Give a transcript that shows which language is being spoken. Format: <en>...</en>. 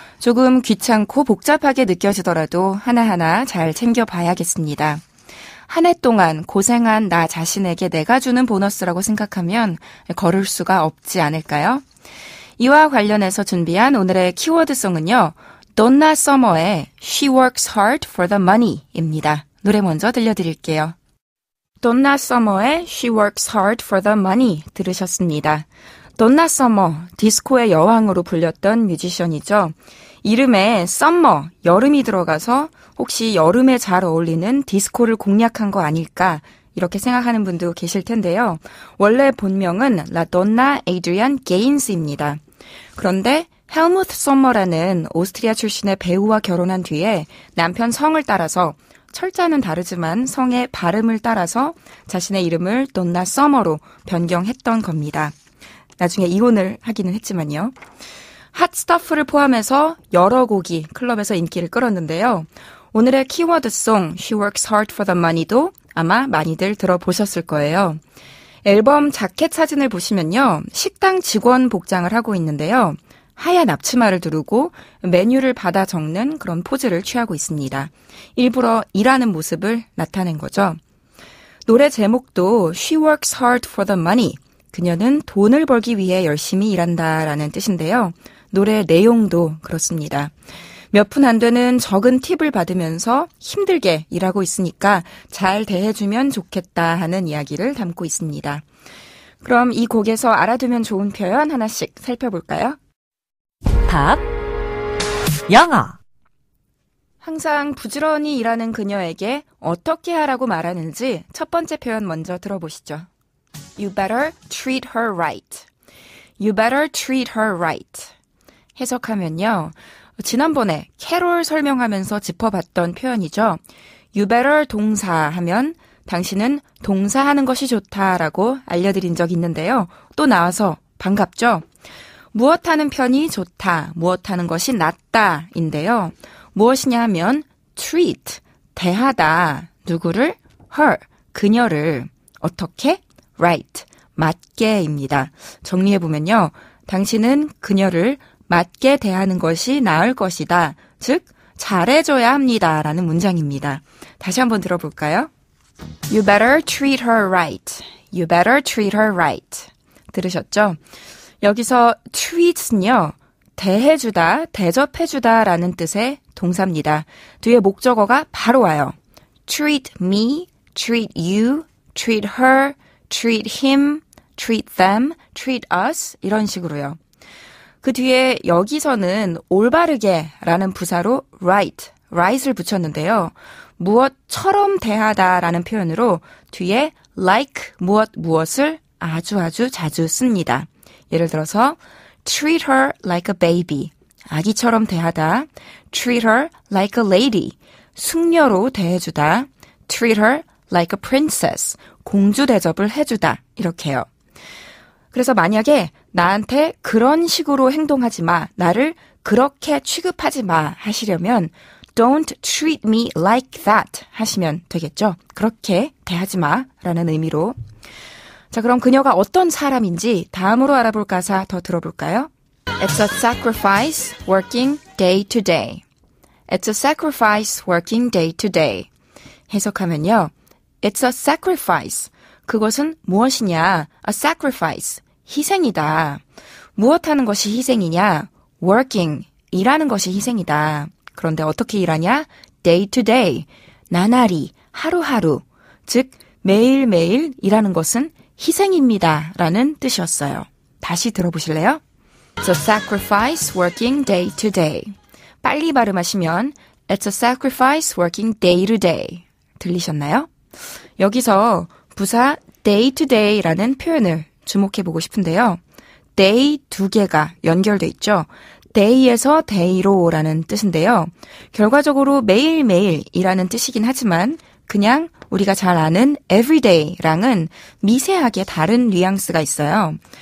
<ko>조금 귀찮고 복잡하게 느껴지더라도 하나하나 잘 챙겨봐야겠습니다. 한 해 동안 고생한 나 자신에게 내가 주는 보너스라고 생각하면 거를 수가 없지 않을까요? 이와 관련해서 준비한 오늘의 키워드송은요. Donna Summer의 She Works Hard for the Money입니다. 노래 먼저 들려드릴게요. Donna Summer의 She Works Hard for the Money 들으셨습니다. Donna Summer, 디스코의 여왕으로 불렸던 뮤지션이죠. 이름에 Summer, 여름이 들어가서 혹시 여름에 잘 어울리는 디스코를 공략한 거 아닐까 이렇게 생각하는 분도 계실 텐데요. 원래 본명은 La Donna Adrian Gaines입니다. 그런데 헬무트 썸머라는 오스트리아 출신의 배우와 결혼한 뒤에 남편 성을 따라서 철자는 다르지만 성의 발음을 따라서 자신의 이름을 돈나 썸머로 변경했던 겁니다. 나중에 이혼을 하기는 했지만요. 핫 스타프를 포함해서 여러 곡이 클럽에서 인기를 끌었는데요. 오늘의 키워드 송 She Works Hard for the Money도 아마 많이들 들어보셨을 거예요. 앨범 자켓 사진을 보시면요. 식당 직원 복장을 하고 있는데요. 하얀 앞치마를 두르고 메뉴를 받아 적는 그런 포즈를 취하고 있습니다. 일부러 일하는 모습을 나타낸 거죠. 노래 제목도 She Works Hard for the Money. 그녀는 돈을 벌기 위해 열심히 일한다라는 뜻인데요. 노래 내용도 그렇습니다. 몇 푼 안 되는 적은 팁을 받으면서 힘들게 일하고 있으니까 잘 대해주면 좋겠다 하는 이야기를 담고 있습니다. 그럼 이 곡에서 알아두면 좋은 표현 하나씩 살펴볼까요? 팝 영어. 항상 부지런히 일하는 그녀에게 어떻게 하라고 말하는지 첫 번째 표현 먼저 들어보시죠.</ko> <en>You better treat her right. You better treat her right.</en> <ko>해석하면요. 지난번에 캐롤 설명하면서 짚어봤던 표현이죠.</ko> <en>You better</en> <ko>동사 하면 당신은 동사하는 것이 좋다라고 알려드린 적 있는데요. 또 나와서 반갑죠. 무엇하는 편이 좋다, 무엇하는 것이 낫다인데요. 무엇이냐 하면 treat, 대하다, 누구를? Her, 그녀를. 어떻게? Right, 맞게입니다. 정리해보면요. 당신은 그녀를 맞게 대하는 것이 나을 것이다. 즉, 잘해줘야 합니다. 라는 문장입니다. 다시 한번 들어볼까요?</ko> <en>You better treat her right. You better treat her right.</en> <ko>들으셨죠? 여기서 treat은요. 대해주다, 대접해주다 라는 뜻의 동사입니다. 뒤에 목적어가 바로 와요.</ko> <en>Treat me, treat you, treat her, treat him, treat them, treat us</en> <ko>이런 식으로요. 그 뒤에 여기서는 올바르게 라는 부사로 right, right을 붙였는데요. 무엇처럼 대하다 라는 표현으로 뒤에 like 무엇 무엇을 아주 아주 자주 씁니다. 예를 들어서</ko> <en>treat her like a baby,</en> <ko>아기처럼 대하다,</ko> <en>treat her like a lady,</en> <ko>숙녀로 대해주다,</ko> <en>treat her like a princess,</en> <ko>공주 대접을 해주다, 이렇게요. 그래서 만약에 나한테 그런 식으로 행동하지 마, 나를 그렇게 취급하지 마 하시려면</ko> <en>don't treat me like that</en> <ko>하시면 되겠죠. 그렇게 대하지 마 라는 의미로. 자, 그럼 그녀가 어떤 사람인지 다음으로 알아볼 가사 더 들어볼까요?</ko> <en>It's a sacrifice working day to day. It's a sacrifice working day to day.</en> <ko>해석하면요.</ko> <en>It's a sacrifice.</en> <ko>그것은 무엇이냐?</ko> <en>A sacrifice.</en> <ko>희생이다. 무엇하는 것이 희생이냐? Working. 일하는 것이 희생이다. 그런데 어떻게 일하냐?</ko> <en>Day to day.</en> <ko>나날이. 하루하루. 즉, 매일매일 일하는 것은 희생입니다. 라는 뜻이었어요. 다시 들어보실래요?</ko> <en>It's a sacrifice working day to day.</en> <ko>빨리 발음하시면</ko> <en>It's a sacrifice working day to day.</en> <ko>들리셨나요? 여기서 부사 day to day 라는 표현을 주목해보고 싶은데요. day 두 개가 연결돼 있죠. day에서 day로 라는 뜻인데요. 결과적으로 매일매일이라는 뜻이긴 하지만 그냥 우리가 잘 아는 everyday랑은 미세하게 다른 뉘앙스가 있어요.</ko>